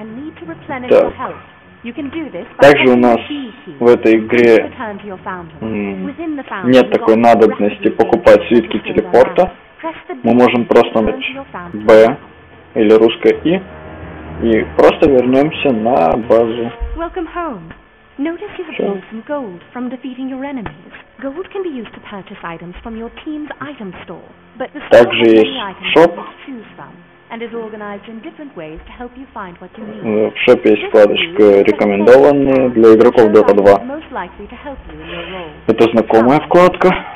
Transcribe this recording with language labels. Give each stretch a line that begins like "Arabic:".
Russian: Также у нас в этой игре нет такой надобности покупать свитки телепорта. Мы можем просто нажать B или русское I и просто вернемся на базу.
English: Notice you have gained some gold from defeating your enemies. Gold can be used to purchase items from your team's item store, but the store has many items to choose from and is organized in different ways to help you find what you need.
Russian: В шопе есть вкладочка «Рекомендованные» для игроков Dota 2. Это знакомая вкладка.